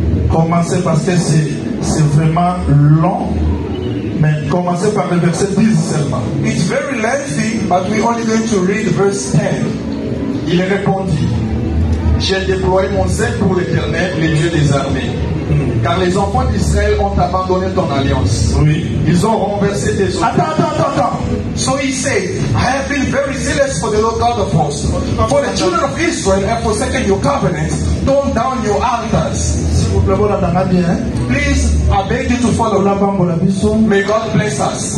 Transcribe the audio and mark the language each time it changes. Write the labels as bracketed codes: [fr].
[fr] Commencez parce que c'est vraiment long, mais commencez par le verset 10 seulement. [en] It's very lengthy, but we're only going to read verse 10. [fr] Il répondit, j'ai déployé mon zèle pour l'Éternel, le Dieu des armées. Car les enfants d'Israël ont abandonné ton alliance. Oui. Ils ont renversé tes eaux. Attends. [en] So he said, I have been very zealous for the Lord God of hosts. For the children of Israel have forsaken your covenant, torn down your altars. [fr] S'il vous plaît, voilà, bien. [en] Please, I beg you to follow. La bambola, may God bless us.